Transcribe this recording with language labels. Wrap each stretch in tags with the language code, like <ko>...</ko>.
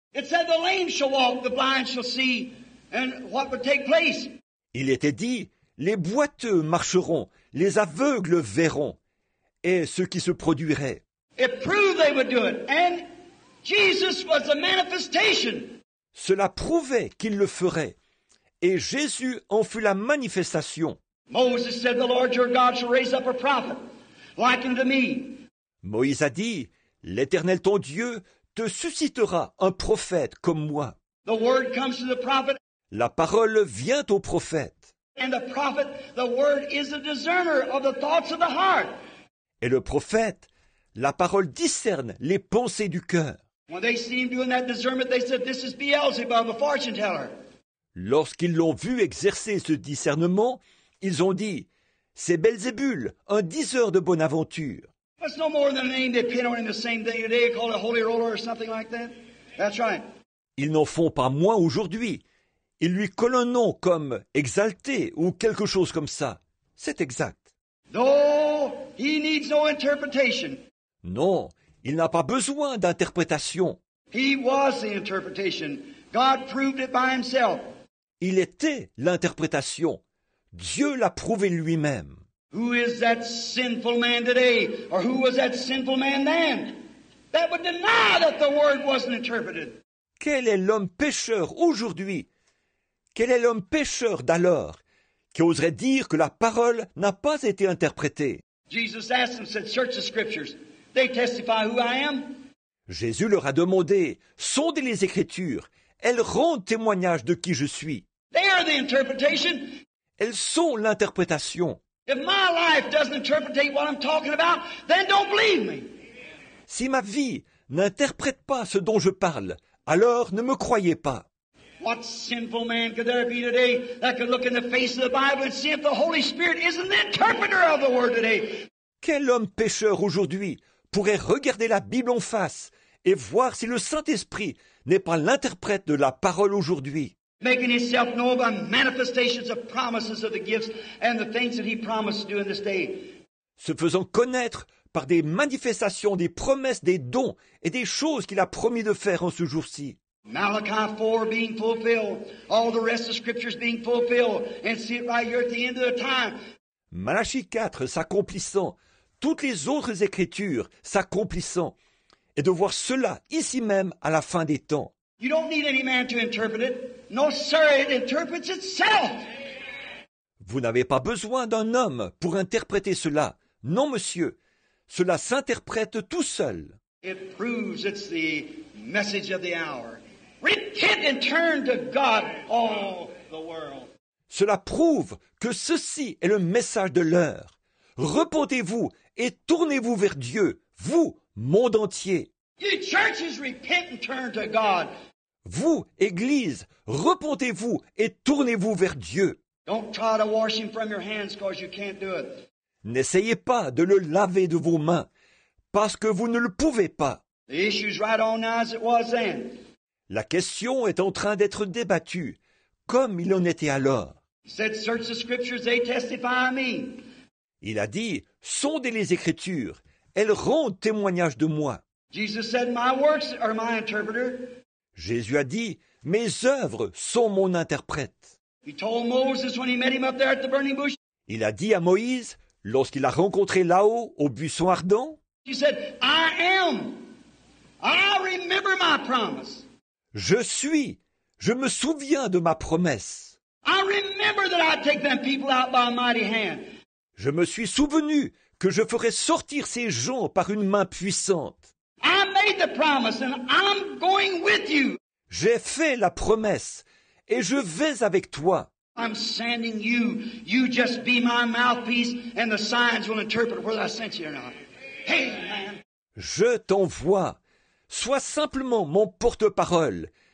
<en>It said the lame shall walk, the blind shall see, and what would take place?</en> <fr>Il était dit, les boiteux marcheront, les aveugles verront, et ce qui se produirait.</fr> <en>It proved they would do it, and Jesus was a manifestation.</en> <fr>Cela prouvait qu'il le ferait, et Jésus en fut la manifestation.</fr> <en>Moses said, the Lord your God shall raise up a prophet like unto me.</en> <fr>Moïse a dit, l'Éternel ton Dieu te suscitera un prophète comme moi.</fr> <en>The word comes to the prophet.</en> <fr>La parole vient au prophète.</fr> <en>And the prophet, the word is a discerner of the thoughts of the heart.</en> <fr>Et le prophète, la parole discerne les pensées du cœur.</fr> <en>When they seen doing that discernment, they said, this is Beelzebub, a fortune teller.</en> <fr>Lorsqu'ils l'ont vu exercer ce discernement, ils ont dit, c'est Belzébul, un diseur de bonne aventure.</fr> <en>That's no more than a name they pin on him the same day today, call it a holy roller or something like that. That's right.</en> <fr>Ils n'en font pas moins aujourd'hui. Ils lui collent un nom comme exalté ou quelque chose comme ça. C'est exact.</fr> <en>No, he needs no interpretation.</en> <fr>Non, il n'a pas besoin d'interprétation.</fr> <en>He was the interpretation. God proved it by himself.</en> <fr>Il était l'interprétation. Dieu l'a prouvé lui-même.</fr> <en>Who is that sinful man today? Or who was that sinful man then? That would deny that the word wasn't interpreted.</en> <fr>Quel est l'homme pécheur aujourd'hui? Quel est l'homme pécheur d'alors qui oserait dire que la parole n'a pas été interprétée?</fr> <en>Jesus asked them, said, search the scriptures. They testify who I am.</en> <fr>Jésus leur a demandé, sondez les écritures. Elles rendent témoignage de qui je suis.</fr> <en>They are the interpretation.</en> <fr>Elles sont l'interprétation.</fr> <en>If my life doesn't interpret what I'm talking about, then don't believe me.</en> <fr>Si ma vie n'interprète pas ce dont je parle, alors ne me croyez pas.</fr> <en>What sinful man could there be today that could look in the face of the Bible and see if the Holy Spirit isn't the interpreter of the word today?</en> <fr>Quel homme pécheur aujourd'hui pourrait regarder la Bible en face et voir si le Saint-Esprit n'est pas l'interprète de la parole aujourd'hui?</fr> <en>Making himself known by manifestations of promises of the gifts and the things that he promised to do in this day.</en> <fr>Se faisant connaître par des manifestations, des promesses, des dons et des choses qu'il a promis de faire en ce jour-ci.</fr> <en>Malachi 4 being fulfilled, all the rest of scriptures being fulfilled, and see it right here at the end of the time.</en> <fr>Malachi 4 s'accomplissant, toutes les autres écritures s'accomplissant, et de voir cela ici même à la fin des temps.</fr> <en>You don't need any man to interpret it. No, sir, it interprets itself.</en> <fr>Vous n'avez pas besoin d'un homme pour interpréter cela. Non, monsieur. Cela s'interprète tout seul.</fr> <en>It proves it's the message of the hour. Repent and turn to God, all the world.</en> <fr>Cela prouve que ceci est le message de l'heure. Repentez-vous et tournez-vous vers Dieu, vous, monde entier.</fr> <en>You churches, repent and turn to God.</en> <fr>Vous, Église, repentez-vous et tournez-vous vers Dieu.</fr> <en>Don't try to wash him from your hands because you can't do it.</en> <fr>N'essayez pas de le laver de vos mains, parce que vous ne le pouvez pas.</fr> <en>The issue's right on now as it was then.</en> <fr>La question est en train d'être débattue, comme il en était alors.</fr> <en>He said, search the scriptures, they testify of me.</en> <fr>Il a dit, sondez les Écritures, elles rendent témoignage de moi.</fr> <en>Jesus said, my works are my interpreter.</en> <fr>Jésus a dit, mes œuvres sont mon interprète.</fr> <en>He told Moses when he met him up there at the burning bush.</en> <fr>Il a dit à Moïse, lorsqu'il l'a rencontré là-haut, au buisson ardent.</fr> <en>He said, I am I remember my promise.</en> <fr>Je suis. Je me souviens de ma promesse.</fr> <en>I remember that I'd take them people out by a mighty hand.</en> <fr>Je me suis souvenu que je ferais sortir ces gens par une main puissante.</fr> <en>I made the promise and I'm going with you.</en> <fr>J'ai fait la promesse et je vais avec toi.</fr> <en>I'm sending you. You just be my mouthpiece and the signs will interpret whether I sent you or not. Hey, man.</en> <fr>Je t'envoie. Sois simplement mon porte-parole.</fr>